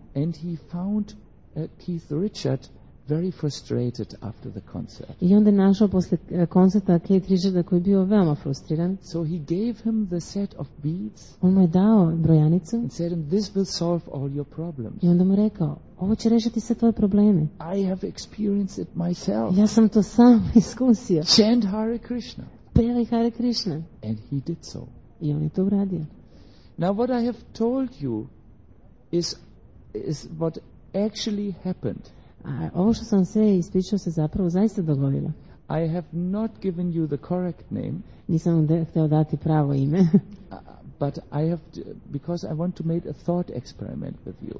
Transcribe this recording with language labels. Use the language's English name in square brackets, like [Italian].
[English] And he found Keith Richard very frustrated after the concert. [Serbian] I onda našao posle koncerta Keith Richarda koji je bio veoma frustriran. [English] So he gave him the set of beads. [Serbian] On mu je dao brojanicu. [English] And said, "This will solve all your problems." [Serbian] I onda mu rekao, ovo će rešiti sve tvoje probleme. [English] I have experienced it myself. [Serbian] Ja sam to sam iskusio. [English] Chant Hare Krishna. [Serbian] Pevaj Hare Krishna. [English] And he did so. [Serbian] I on je to uradio. [English] Now what I have told you is what actually happened. [Serbian] A ovo što sam sve ispričao se zapravo zaista dogodilo. [English] I have not given you the correct name. [Serbian] Nisam vam hteo dati pravo ime. [English] But I have because I want to make a thought experiment with you.